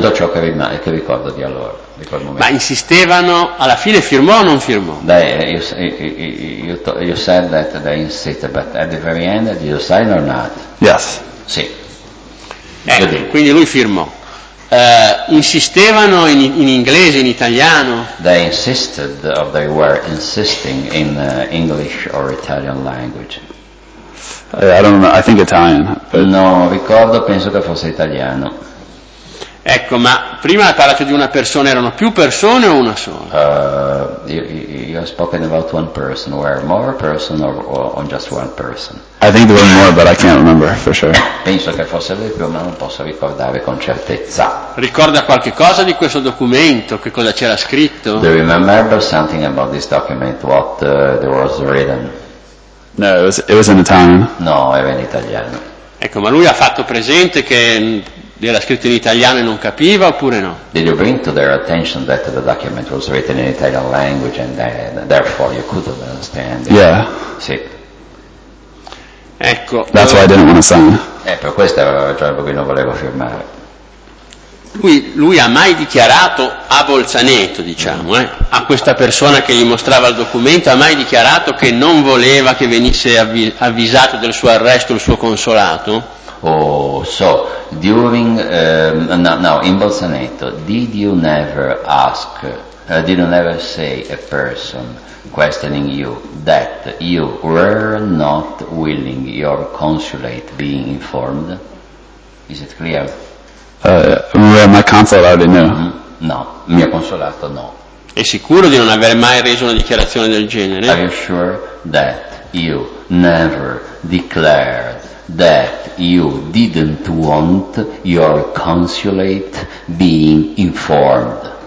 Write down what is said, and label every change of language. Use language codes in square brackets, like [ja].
[it] Tutto ciò che ricordo di allora, di quel momento. Ma insistevano. Alla fine firmò o non firmò? [en] You said that they insisted, but at the very end, did you sign or not? Yes. [it] Sì. Quindi lui firmò. Insistevano in inglese, in italiano? [en] They insisted, or they were insisting in English or Italian language. I don't know, I think Italian. [it] But... No, ricordo, penso che fosse italiano. Ecco, ma prima ha parlato di una persona, erano più persone o una sola? [en] You have spoken about one person. Were more person or just one person? I think there were more, but I can't remember for sure. [it] Penso che fosse di più, ma non posso ricordare con certezza. Ricorda qualche cosa di questo documento? Che cosa c'era scritto? [en] Do you remember something about this document? What there was written? No, it was in Italian. [it] No, era in italiano. Ecco, ma lui ha fatto presente che era scritto in italiano e non capiva oppure no? [en] Did you bring to their attention that the document was written in Italian language and therefore you could understand? Yeah. [it] Sì. Ecco. [en] That's why I didn't want to sign. [it] Per questo era la ragione per cui non volevo firmare. Lui ha mai dichiarato a Bolzaneto, diciamo, a questa persona che gli mostrava il documento, ha mai dichiarato che non voleva che venisse avvisato del suo arresto il suo consolato? [en] Oh, so, during, in Bolzaneto, did you never ask, did you never say a person questioning you that you were not willing your consulate being informed? Is it clear? My consulate already knew. [it] No, mio consolato no. È sicuro di non aver mai reso una dichiarazione del genere? [en] Are you sure that you never declared that you didn't want your consulate being informed?